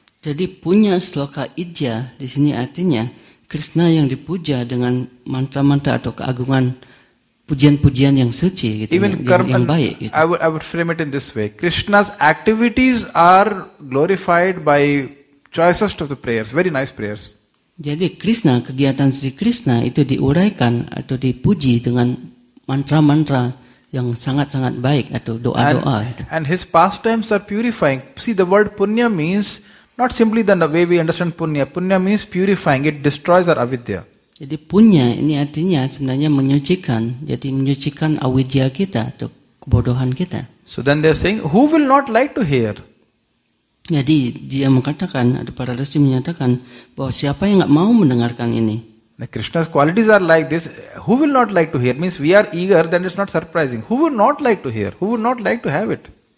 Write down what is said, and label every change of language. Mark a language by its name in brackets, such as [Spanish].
[Indonesian] Jadi punya shloka idya di sini artinya Krishna yang dipuja dengan mantra-mantra atau keagungan pujian-pujian yang suci gitu. [English] Even [Indonesian] ya, karma, yang baik gitu. [English] I would frame it in this way. Krishna's activities are glorified by choicest of the prayers, very nice prayers. [Indonesian] Jadi Krishna, kegiatan Sri Krishna itu diuraikan atau dipuji dengan mantra-mantra yang sangat-sangat baik atau doa-doa. [English] And his pastimes are purifying. See, the word punya means not simply the way we understand punya. Punya means purifying. It destroys our avidya. [Indonesian] Jadi punya ini artinya sebenarnya menyucikan. Jadi menyucikan avidya kita atau kebodohan kita. [English] So then they're saying, who will not like to hear? [Indonesian] Jadi dia mengatakan, ada para resi menyatakan bahwa siapa yang enggak mau mendengarkan ini. [English] Now Krishna's qualities are like this. Who will not like to hear? Means we are eager, then it's not surprising. Who would not like to hear? Who would not like to have it?